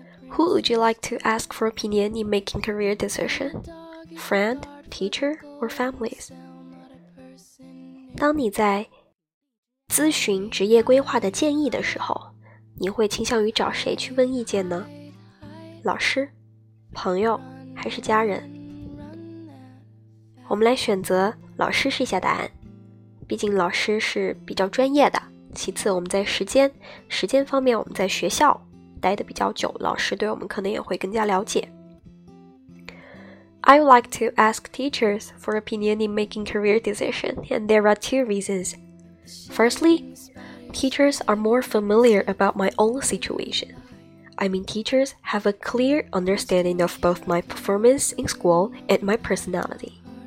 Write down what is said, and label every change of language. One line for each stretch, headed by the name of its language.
English: Who would you like to ask for opinion in making career decision? Friend, teacher, or families?
Chinese: 当你在咨询职业规划的建议的时候，你会倾向于找谁去问意见呢？老师、朋友还是家人？我们来选择老师试一下答案，毕竟老师是比较专业的。其次，我们在时间方面，我们在学校待得比较久，老师对我们可能也会更加了解。
English: I would like to ask teachers for opinion in making career decision, and there are two reasons. Firstly, teachers are more familiar about my own situation. I mean, teachers have a clear understanding of both my performance in school and my personality.